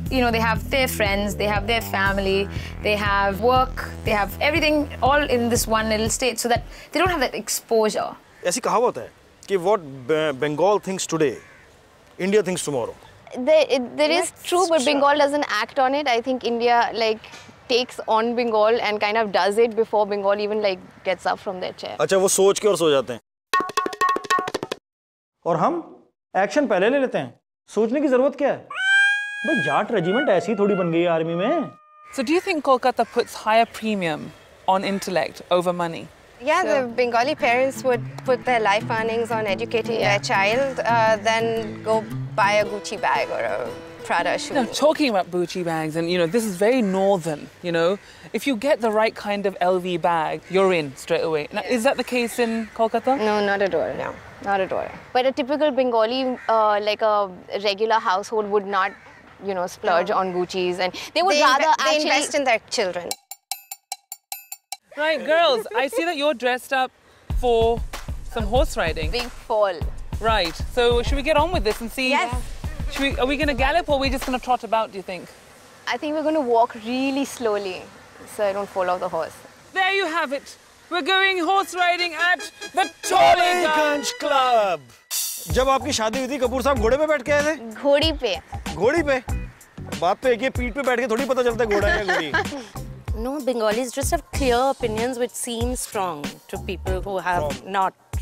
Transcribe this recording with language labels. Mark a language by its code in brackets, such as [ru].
[en] You know, they have their friends, they have their family, they have work, they have everything all in this one little state so that they don't have that exposure. [hi] ऐसी कहावत है कि [en] what Bengal thinks today, India thinks tomorrow. There is true, but Bengal doesn't act on it. I think India, like, takes on Bengal and kind of does it before Bengal even like gets up from their chair. [hi] अच्छा वो सोच के और सो जाते हैं। और हम action पहले ले लेते हैं। सोचने की ज़रूरत क्या है? भाई जाट regiment ऐसी थोड़ी बन गई है army में। [en] So do you think Kolkata puts higher premium on intellect over money? Yeah, the Bengali parents would put their life earnings on educating their child, then go buy a Gucci bag or a Now, talking about Gucci bags, and you know, this is very northern, you know. If you get the right kind of LV bag, you're in straight away. Now, is that the case in Kolkata? No, not at all, no. Not at all. But a typical Bengali, like a regular household, would not, you know, splurge on Gucci's. And they would invest in their children. Right, girls, I see that you're dressed up for some horse riding. Big fall. Right, so should we get on with this and see? Yes. Are we going to gallop or are we just going to trot about, do you think? I think we're going to walk really slowly so I don't fall off the horse. There you have it. We're going horse riding at the Tollyganj Club. [hi] जब आपकी शादी हुई थी कपूर साहब घोड़े पे बैठ के आए थे? घोड़ी पे. घोड़ी पे? बात तो एक ही पीठ पे बैठ के थोड़ी पता चलता है घोड़ा या घोड़ी. [en] No, Bengalis just have clear opinions which seem strong to people who have not.